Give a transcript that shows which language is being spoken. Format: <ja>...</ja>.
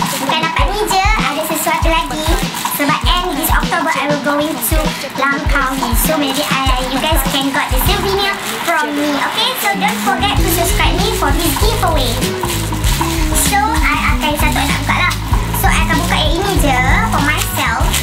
<ms>Bukan dapat ni je, ada sesuatu lagi. Sebab</ms> <en>end this October, I will going to Langkawi. So maybe you guys can got the souvenir from me, okay? So don't forget to subscribe me for this giveaway.</en> <ms>So I akan satu nak buka lah. So I akan buka yang ini je</ms> <en>for myself.</en>